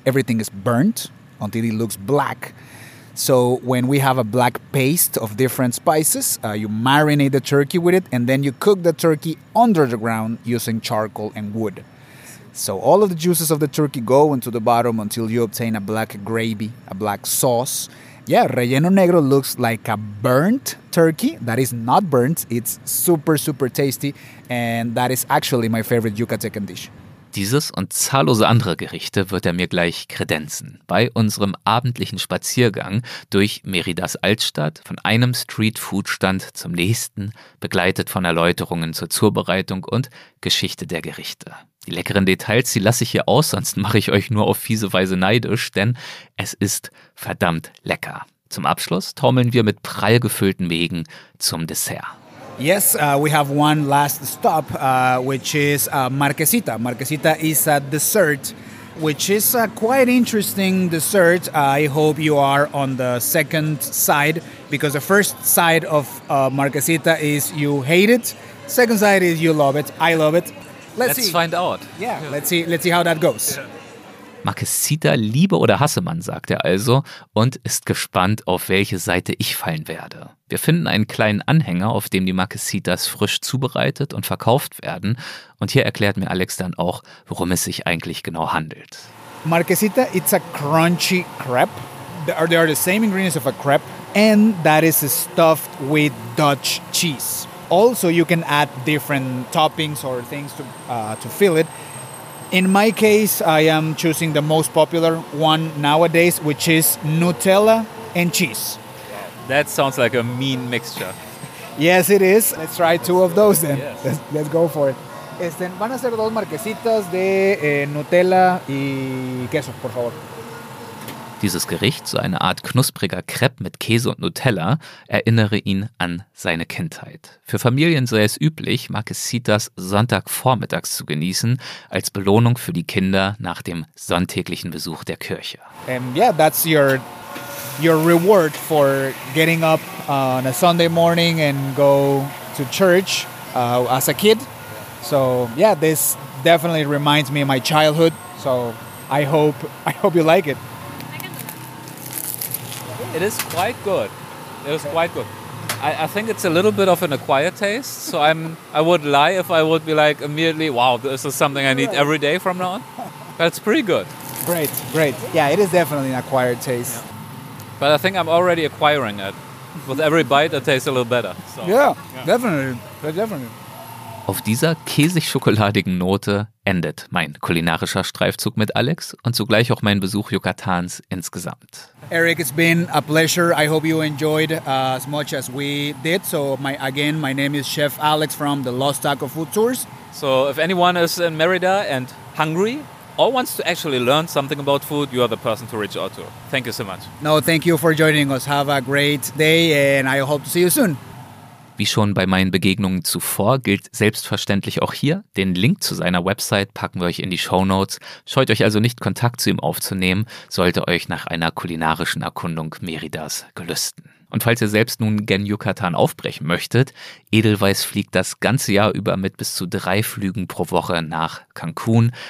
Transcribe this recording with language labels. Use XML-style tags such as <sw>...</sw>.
<en>Everything is burnt until it looks black. So when we have a black paste of different spices, you marinate the turkey with it, and then you cook the turkey under the ground using charcoal and wood. So all of the juices of the turkey go into the bottom until you obtain a black gravy, a black sauce. Yeah, relleno negro looks like a burnt turkey that is not burnt. It's super, super tasty, and that is actually my favorite Yucatecan dish.</en> <de>Dieses und zahllose andere Gerichte wird er mir gleich kredenzen. Bei unserem abendlichen Spaziergang durch Meridas Altstadt, von einem Streetfood-Stand zum nächsten, begleitet von Erläuterungen zur Zubereitung und Geschichte der Gerichte. Die leckeren Details, die lasse ich hier aus, sonst mache ich euch nur auf fiese Weise neidisch, denn es ist verdammt lecker. Zum Abschluss taumeln wir mit prall gefüllten Mägen zum Dessert.</de> <en>Yes, we have one last stop, which is Marquesita. Marquesita is a dessert, which is a quite interesting dessert. I hope you are on the second side, because the first side of Marquesita is you hate it. Second side is you love it. I love it. Let's find out. Yeah, let's see how that goes. Yeah. Marquesita, liebe oder hasse man, sagt er also, und ist gespannt, auf welche Seite ich fallen werde. Wir finden einen kleinen Anhänger, auf dem die Marquesitas frisch zubereitet und verkauft werden. Und hier erklärt mir Alex dann auch, worum es sich eigentlich genau handelt. Marquesita, it's a crunchy crepe. They are the same ingredients of a crepe. And that is stuffed with Dutch cheese. Also, you can add different toppings or things to fill it. In my case, I am choosing the most popular one nowadays, which is Nutella and cheese. That sounds like a mean mixture. Yes, it is. Let's try two of those then. Yes. Let's go for it.</en> <es>Este, van a ser dos marquesitas de Nutella y queso, por favor.</es> <de>Dieses Gericht, so eine Art knuspriger Crepe mit Käse und Nutella, erinnere ihn an seine Kindheit. Für Familien sei es üblich, Marquesitas sonntagvormittags zu genießen, als Belohnung für die Kinder nach dem sonntäglichen Besuch der Kirche.</de> <en>Yeah, that's your reward for getting up on a Sunday morning and go to church as a kid. So yeah, this definitely reminds me of my childhood. So I hope you like it. It is quite good. It is quite good. I think it's a little bit of an acquired taste. So I would lie if I would be like immediately, wow, this is something I need every day from now on. But it's pretty good. Great. Yeah, it is definitely an acquired taste. Yeah. But I think I'm already acquiring it. With every bite, it tastes a little better. So. Yeah, definitely. Auf dieser käsig-schokoladigen Note endet mein kulinarischer Streifzug mit Alex und zugleich auch mein Besuch Yucatans insgesamt. Eric, it's been a pleasure. I hope you enjoyed as much as we did. So my name is Chef Alex from the Lost Taco Food Tours. So if anyone is in Merida and hungry or wants to actually learn something about food, you are the person to reach out to. Thank you so much. No, thank you for joining us. Have a great day and I hope to see you soon.</en> <de>Wie schon bei meinen Begegnungen zuvor gilt selbstverständlich auch hier. Den Link zu seiner Website packen wir euch in die Shownotes. Scheut euch also nicht, Kontakt zu ihm aufzunehmen, sollte euch nach einer kulinarischen Erkundung Meridas gelüsten. Und falls ihr selbst nun gen Yucatan aufbrechen möchtet, Edelweiß fliegt das ganze Jahr über mit bis zu 3 Flügen pro Woche nach Cancun.</de>